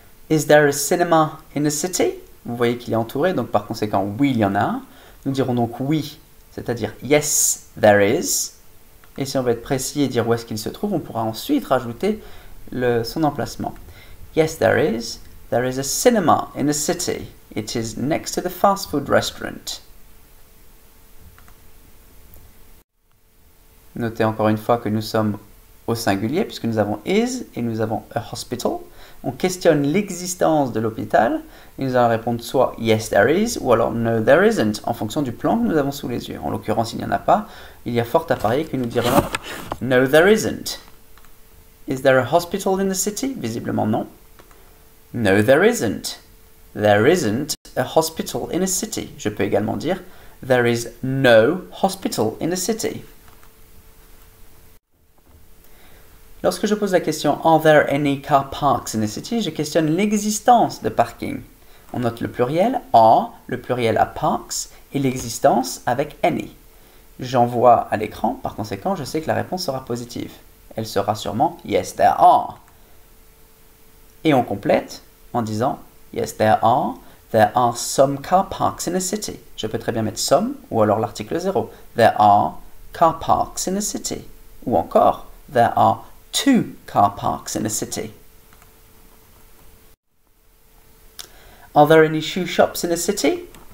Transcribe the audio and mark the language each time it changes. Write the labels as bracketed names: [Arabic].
[English] Is there a cinema in the city? [French] Vous voyez qu'il est entouré, donc par conséquent, oui, il y en a un. Nous dirons donc oui c'est-à-dire [English] yes, there is. [French] Et si on veut être précis et dire où est-ce qu'il se trouve, on pourra ensuite rajouter son emplacement. [English] Yes, there is a cinema in the city. It is next to the fast food restaurant. [French] Notez encore une fois que nous sommes au singulier puisque nous avons is et nous avons a hospital. On questionne l'existence de l'hôpital et nous allons répondre soit [English] yes, there is [French] ou alors [English] no, there isn't [French] en fonction du plan que nous avons sous les yeux. En l'occurrence, il n'y en a pas. Il y a fort à parier que nous dirions [English] no, there isn't. Is there a hospital in the city? [French] Visiblement non. [English] No, there isn't. There isn't a hospital in a city. [French] Je peux également dire [English] there is no hospital in a city. [French] Lorsque je pose la question [English] Are there any car parks in the city? [French] Je questionne l'existence de parking. On note le pluriel are, le pluriel à parks, et l'existence avec any. J'envoie à l'écran, par conséquent, je sais que la réponse sera positive. Elle sera sûrement [English] Yes, there are. [French] Et on complète en disant [English] Yes, there are some car parks in the city. [French] Je peux très bien mettre some ou alors l'article 0. [English] There are car parks in the city. Ou encore, there are two car parks in the city. Are there any shoe shops in the city?